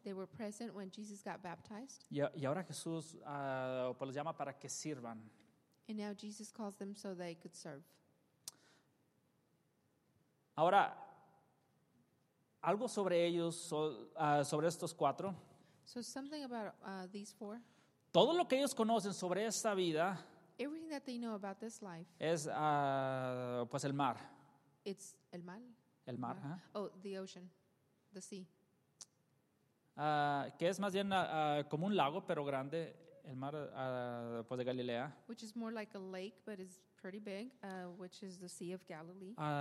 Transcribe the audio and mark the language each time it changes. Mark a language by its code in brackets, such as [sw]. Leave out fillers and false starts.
[en] They were present when Jesus got baptized. [es] Y ahora Jesús pues los llama para que sirvan. [en] And now Jesus calls them so they could serve. [es] Ahora, algo sobre ellos, sobre estos cuatro. [en] So something about these four. [es] Todo lo que ellos conocen sobre esta vida. [en] Everything that they know about this life. [es] Es pues el mar. [en] It's [es] el mar. El mar, [en] ¿eh? Oh, the ocean, the sea. [es] Que es más bien como un lago, pero grande. El mar pues de Galilea. [en] Which is more like a lake, but it's pretty big, which is the Sea of Galilee.